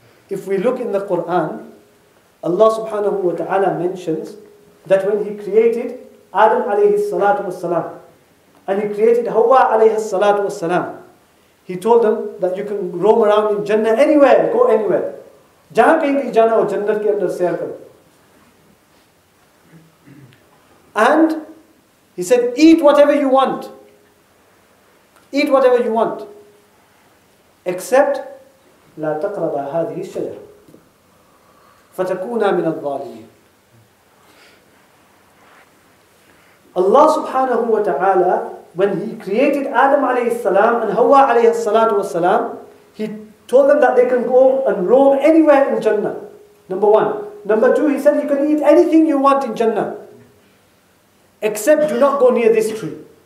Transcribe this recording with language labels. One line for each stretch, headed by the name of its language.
English: If we look in the Quran, Allah subhanahu wa ta'ala mentions that when He created Adam alayhi salatu wa salam, and He created Hawa alayhi salatu wa salam, He told them that you can roam around in Jannah anywhere, go anywhere.
Urdu: Jahan kahin bhi jana ho, Jannah ke andar sair karo.
English: And He said, eat whatever you want. Eat whatever you want. Except,
Arabic: لا تقرب هذه الشجرة فتكون من الظالمين.
English: Allah subhanahu wa ta'ala, when He created Adam alayhi salam and Hawa alayhi salatu wa salam, He told them that they can go and roam anywhere in Jannah. Number one. Number two, He said, you can eat anything you want in Jannah. Except do not go near this tree.